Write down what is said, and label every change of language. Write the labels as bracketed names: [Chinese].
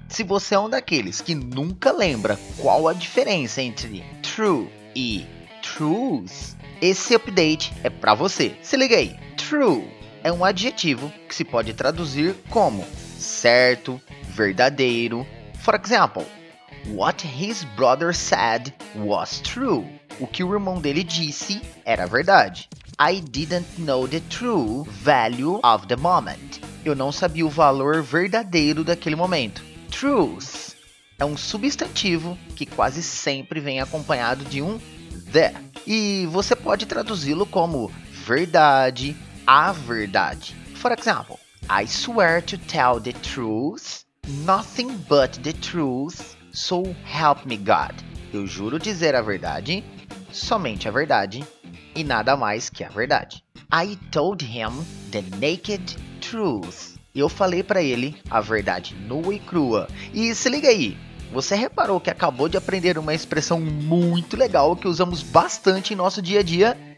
[Portuguese] Se você é um daqueles que nunca lembra qual a diferença entre true e truth, esse update é pra você. Se liga aí, true é um adjetivo que se pode traduzir como certo, verdadeiro. [English] For example, what his brother said was true. [Portuguese] O que o irmão dele disse era verdade. [English] I didn't know the true value of the moment. [Portuguese] Eu não sabia o valor verdadeiro daquele momento. Truth é um substantivo que quase sempre vem acompanhado de um the. E você pode traduzi-lo como verdade, a verdade. [English] For example, I swear to tell the truth, nothing but the truth, so help me God. [Portuguese] Eu juro dizer a verdade, somente a verdade, e nada mais que a verdade. [English] I told him the naked truth. [Portuguese] Eu falei pra ele a verdade nua e crua. E se liga aí, você reparou que acabou de aprender uma expressão muito legal que usamos bastante em nosso dia a dia?